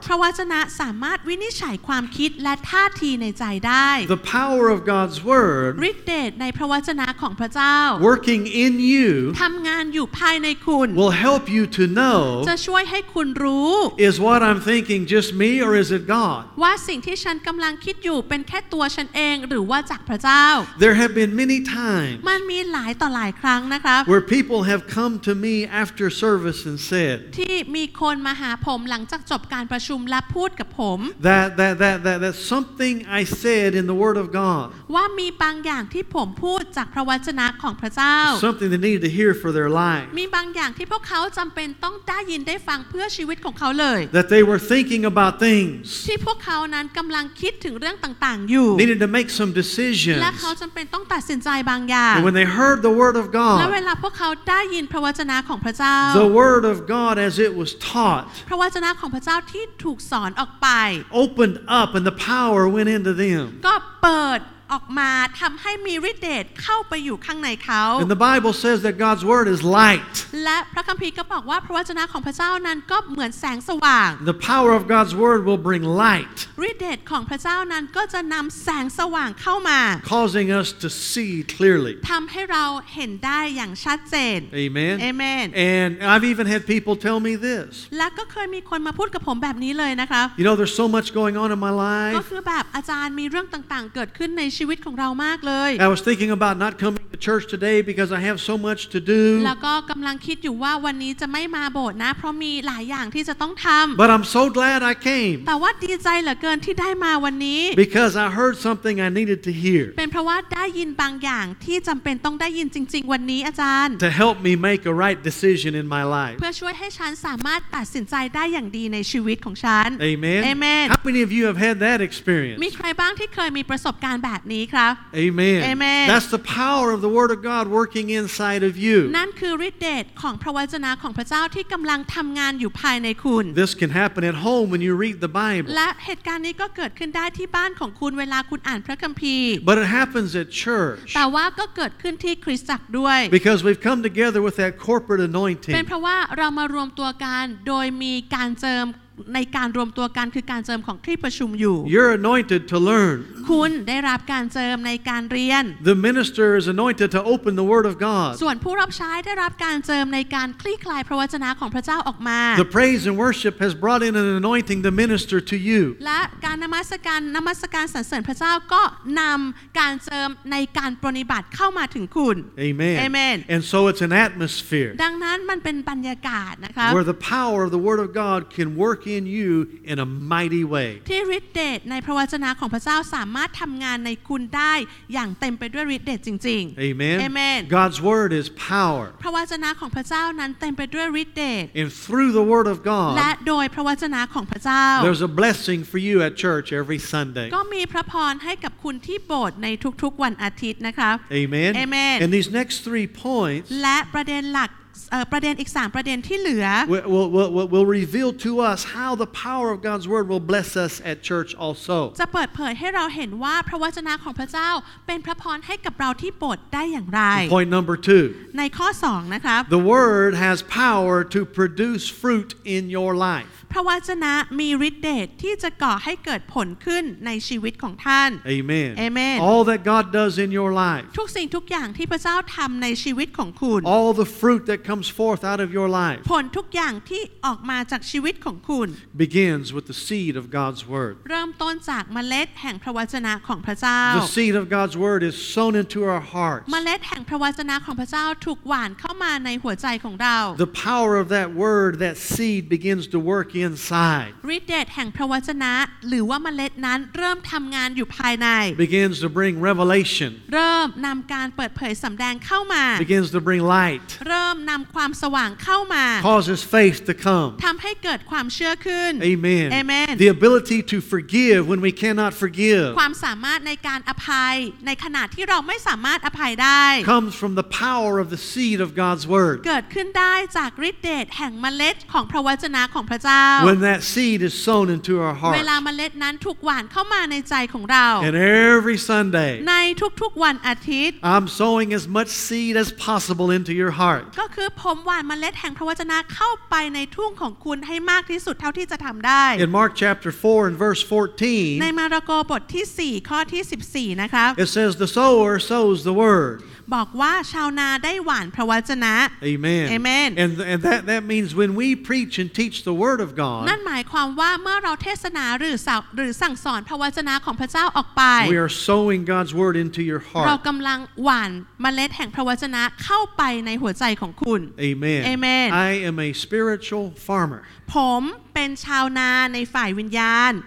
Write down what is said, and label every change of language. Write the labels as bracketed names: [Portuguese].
[Thai] พระวจนะสามารถวินิจฉัยความคิดและท่าทีในใจได้ [English] The power of God's word [Thai] ฤทธิ์เดชในพระวจนะของพระเจ้า [English] Working in you [Thai] ทำงานอยู่ภายในคุณ [English] Will help you to know [Thai] จะช่วยให้คุณรู้ [English] Is what I'm thinking just me or is it God? [Thai] ว่าสิ่งที่ฉันกำลังคิดอยู่เป็นแค่ตัวฉันเองหรือว่าจากพระเจ้า [English] There have been many times [Thai] มันมีหลายต่อหลายครั้งนะครับ [English] Where people have come to me after service and said [Thai] ที่มีคนมาหาผมหลังจากจบการประชุมและพูดกับผม [English] That something I said in the word of God [Thai] ว่ามีบางอย่างที่ผมพูดจากพระวจนะของพระเจ้า [English] Something they need to hear for their life [Thai] มีบางอย่างที่พวกเขาจำเป็นต้องได้ยินได้ฟังเพื่อชีวิตของเขาเลย [English] That they were thinking about things [Thai] ที่พวกเขานั้นกำลังคิดถึงเรื่องต่างๆอยู่ [English] Needed to make some decisions [Thai] และเขาจำเป็นต้องตัดสินใจบางอย่าง [English] When they heard the word of God [Thai] และเวลาพวกเขาได้ยินพระวจนะของพระเจ้า [English] The word of God as it was taught [Thai] พระวจนะของพระเจ้าที่ถูกสอนออกไป [English] Opened up and the power went into them [Thai] ก็เปิดออกมาทำให้มีฤทธิ์เดชเข้าไปอยู่ข้างในเขา [English] And the Bible says that God's word is light [Thai] และพระคัมภีร์ก็บอกว่าพระวจนะของพระเจ้านั้นก็เหมือนแสงสว่าง [English] The power of God's word will bring light [Thai] ฤทธิ์เดชของพระเจ้านั้นก็จะนำแสงสว่างเข้ามา [English] causing us to see clearly [Thai] ทำให้เราเห็นได้อย่างชัดเจน [English] Amen Amen And I've even had people tell me this [Thai] และก็เคยมีคนมาพูดกับผมแบบนี้เลยนะครับ [English] You know there's so much going on in my life [Thai] ก็คือแบบอาจารย์มีเรื่องต่างๆเกิดขึ้นในชีวิตีวิตของเรามากเลย [English] I was thinking about not coming to church today because I have so much to do [Thai] แล้วก็กำลังคิดอยู่ว่าวันนี้จะไม่มาโบสถ์นะเพราะมีหลายอย่างที่จะต้องทำ [English] But I'm so glad I came [Thai] แต่ว่าดีใจเหลือเกินที่ได้มาวันนี้ [English] Because I heard something I needed to hear [Thai] เป็นเพราะว่าได้ยินบางอย่างที่จำเป็นต้องได้ยินจริงๆวันนี้อาจารย์ [English] To help me make a right decision in my life [Thai] เพื่อช่วยให้ฉันสามารถตัดสินใจได้อย่างดีในชีวิตของฉัน [English] Amen Amen How many of you have had that experience [Thai] มีใครบ้างที่เคยมีประสบการณ์แบบนี้ครับ [English] Amen Amen That's the power of the word of God working inside of you [Thai] นั่นคือฤทธิ์เดชของพระวจนะของพระเจ้าที่กำลังทำงานอยู่ภายในคุณ [English] This can happen at home when you read the Bible [Thai] และเหตุการณ์นี้ก็เกิดขึ้นได้ที่บ้านของคุณเวลาคุณอ่านพระคัมภีร์ [English] But it happens at church [Thai] แต่ว่าก็เกิดขึ้นที่คริสตจักรด้วย [English] Because we've come together with that corporate anointing [Thai] เป็นเพราะว่าเรามารวมตัวกันโดยมีการเจิมในการรวมตัวกันคือการเจิมของที่ประชุมอยู่ [English] You're anointed to learn [Thai] คุณได้รับการเจิมในการเรียน [English] The minister is anointed to open the word of God [Thai] ส่วนผู้รับใช้ได้รับการเจิมในการคลี่คลายพระวจนะของพระเจ้าออกมา [English] The praise and worship has brought in an anointing to minister to you [Thai] และการนมัสการนมัสการสรรเสริญพระเจ้าก็นำการเจิมในการปรนิบัติเข้ามาถึงคุณ [English] Amen Amen And so it's an atmosphere [Thai] ดังนั้นมันเป็นบรรยากาศนะคะ [English] Where the power of the word of God can workin you in a mighty way [Thai] ที่ฤทธิ์เดชในพระวจนะของพระเจ้าสามารถทำงานในคุณได้อย่างเต็มไปด้วยฤทธิ์เดชจริง [English] ๆ Amen Amen God's word is power [Thai] พระวจนะของพระเจ้านั้นเต็มไปด้วยฤทธิ์เดช [English] And through the word of God [Thai] และโดยพระวจนะของพระเจ้า [English] There's a blessing for you at church every Sunday [Thai] ก็มีพระพรให้กับคุณที่โบสถ์ในทุกๆวันอาทิตย์นะคะ [English] Amen Amen And these next 3 points [Thai] และประเด็นหลักประเด็นอีก3ประเด็นที่เหลือ [English] will reveal to us how the power of God's word will bless us at church also [Thai] จะเปิดเผยให้เราเห็นว่าพระวจนะของพระเจ้าเป็นพระพรให้กับเราที่โบสถ์ได้อย่างไร [English] Point number 2 [Thai] ในข้อ2นะครับ [English] The word has power to produce fruit in your life [Thai] พระวจนะมีฤทธิ์เดชที่จะก่อให้เกิดผลขึ้นในชีวิตของท่าน [English] Amen Amen All that God does in your life [Thai] ทุกสิ่งทุกอย่างที่พระเจ้าทำในชีวิตของคุณ [English] All the fruit that comes forth out of your life [Thai] ผลทุกอย่างที่ออกมาจากชีวิตของคุณ [English] begins with the seed of God's word [Thai] เริ่มต้นจากเมล็ดแห่งพระวจนะของพระเจ้า [English] The seed of God's word is sown into our hearts [Thai] เมล็ดแห่งพระวจนะของพระเจ้าถูกหว่านเข้ามาในหัวใจของเรา [English] The power of that word that seed begins to work inside [Thai] ฤทธิ์เดชแห่งพระวจนะหรือว่าเมล็ดนั้นเริ่มทำงานอยู่ภายใน [English] begins to bring revelation [Thai] เริ่มนำการเปิดเผยสำแดงเข้ามา [English] begins to bring light [Thai] เริ่มนำความสว่างเข้ามา [English] causes faith to come [Thai] ทำให้เกิดความเชื่อขึ้น [English] Amen Amen The ability to forgive when we cannot forgive [Thai] ความสามารถในการอภัยในขณะที่เราไม่สามารถอภัยได้ [English] comes from the power of the seed of God's word [Thai] เกิดขึ้นได้จากฤทธิ์เดชแห่งเมล็ดของพระวจนะของพระเจ้า [English] When that seed is sown into our heart [Thai] เวลาเมล็ดนั้นถูกหว่านเข้ามาในใจของเรา [English] And every Sunday [Thai] ในทุกๆวันอาทิตย์ [English] I'm sowing as much seed as possible into your heart [Thai] ก็คือผมหว่านเมล็ดแห่งพระวจนะเข้าไปในทุ่งของคุณให้มากที่สุดเท่าที่จะทำได้ [English] In Mark chapter 4 and verse 14 [Thai] ในมาระโกบทที่4ข้อที่14นะครับ [English] It says the sower sows the word [Thai] บอกว่าชาวนาได้หว่านพระวจนะ [English] Amen Amen And that means when we preach and teach the word of God [Thai] นั่นหมายความว่าเมื่อเราเทศนาหรือสั่งสอนพระวจนะของพระเจ้าออกไป [English] We are sowing God's word into your heart [Thai] เรากำลังหว่านเมล็ดแห่งพระวจนะเข้าไปในหัวใจของคุณ [English] Amen. Amen. I am a spiritual farmer. [Thai] ผมเป็นชาวนาในฝ่ายวิญญาณ